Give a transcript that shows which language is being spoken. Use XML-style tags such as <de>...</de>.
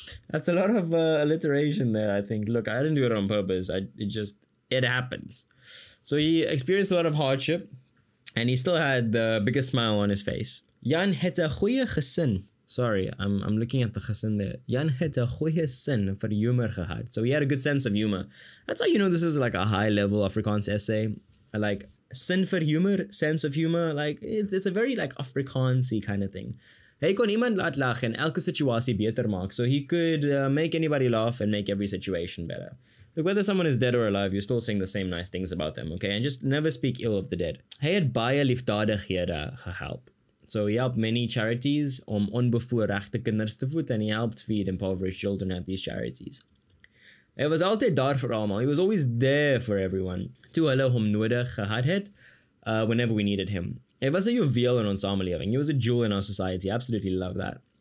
<en>That's a lot of alliteration there, I think. Look, I didn't do it on purpose. It happens. So he experienced a lot of hardship and he still had the biggest smile on his face.</en> <af>Jan het 'n goeie gesin.</af> <en>Sorry, I'm looking at the gesin there.</en> <af>Jan het 'n goeie sin vir humor gehad.</af> <en>So he had a good sense of humor. That's how you know this is like a high level Afrikaans essay. Like,</en> <af>sin vir humor,</af> <en>sense of humor. Like, it's a very like Afrikaans-y kind of thing.</en> <af>Hy kon iemand laat lag en elke situasie beter maak.</af> <en>So he could make anybody laugh and make every situation better. Look, whether someone is dead or alive, you're still saying the same nice things about them, okay? And just never speak ill of the dead.</en> <af>Hy het baie liefdadighede gehelp.</af> <en>So he helped many charities</en> <af>om onbevoorregte kinders te voed,</af> <en>and he helped feed impoverished children at these charities.</en> <af>Hy was altyd daar vir almal.</af> <en>He was always there for everyone.</en> <af>Toe hulle hom nodig gehad het,</af> <en>whenever we needed him.</en> <af>Hy was 'n juweel in ons samelewing.</af> <en>He was a jewel in our society. Absolutely love that.</en>